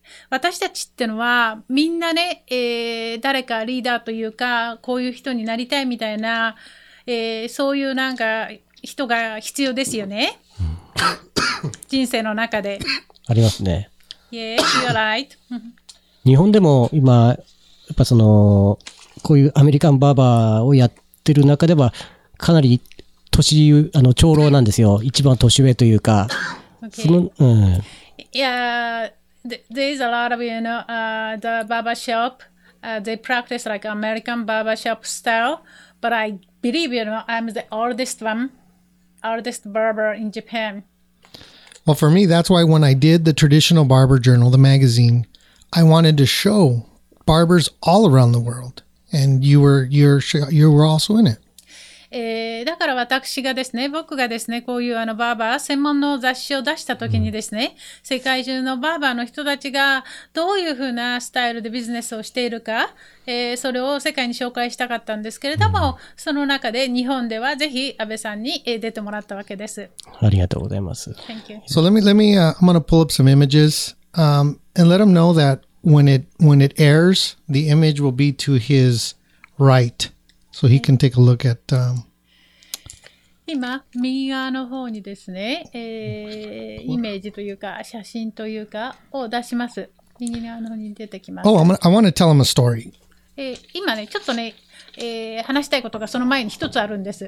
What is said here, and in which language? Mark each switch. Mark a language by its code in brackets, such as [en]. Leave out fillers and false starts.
[ja] 私たちってのはみんなね、誰かリーダーというかこういう人になりたいみたいな、そういうなんか人が必要ですよね、うん、人生の中でありますね。 [en] Yes, you're right. [ja] 日本でも今やっぱそのこういうアメリカンバーバーをやってる中ではかなり年あの長老なんですよ。一番年上というか、 [en] okay. [ja] その、うん、いやー [en] There's a lot of, you know, the barbershop, they practice like American barbershop style, but I believe, you know, I'm the oldest one, oldest barber in Japan. Well, for me, that's why when I did the traditional barber journal, the magazine, I wanted to show barbers all around the world, and you were also in it. [ja] だから私がですね、僕がですね、こういうあのバーバー専門の雑誌を出した時にですね、世界中のバーバーの人たちがどういうふうなスタイルでビジネスをしているか、それを世界に紹介したかったんですけれども、うん、その中で日本ではぜひ安倍さんに出てもらったわけです。ありがとうございます。 [en] Thank you. So let me I'm gonna pull up some images, and let him know that when it airs, the image will be to his right. So he can take a look at, [ja] 今、右側の方にですね、イメージというか、写真というか、を出します。右側の方に出てきます。 [en] Oh, I want to tell him a story. [ja] 今ね、ちょっとね、話したいことがその前に一つあるんです。